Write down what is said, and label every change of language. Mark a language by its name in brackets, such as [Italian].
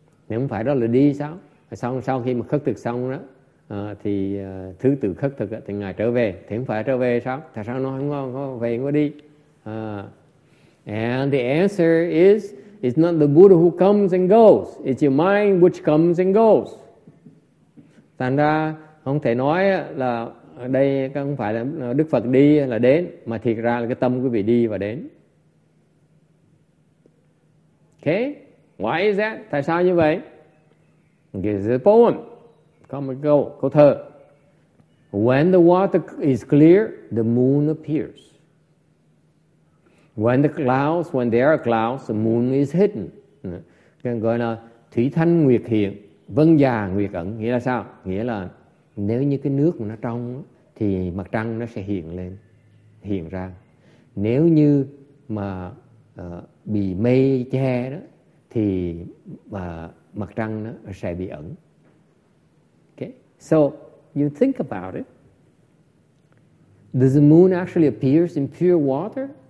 [Vietnamese] Nếu không phải đó là đi sao? Xong sau khi mà khất thực xong đó, thì thứ tự khất thực thì ngài trở về, thì không phải trở về sao? Tại sao nó không về, không có đi? [English] And the answer is, it's not the Buddha who comes and goes, it's your mind which comes and goes. [Vietnamese] Thành ra không thể nói là đây không phải là Đức Phật đi là đến, mà thiệt ra là cái tâm quý vị đi và đến. [English] Okay, why is that? [Vietnamese] Tại sao như vậy? [English] Here's a poem. Come and go, [Vietnamese] câu thơ. [English] When the water is clear, the moon appears. When there are clouds, the moon is hidden. [Vietnamese] Cái gọi là thủy thanh nguyệt hiện, vân già nguyệt ẩn. Nghĩa là sao? Nghĩa là nếu như cái nước nó trong thì mặt trăng nó sẽ hiện lên, hiện ra. Nếu như mà bị mây che đó thì mặt trăng nó sẽ bị ẩn. [English] So you think about it. Does the moon actually appear in pure water?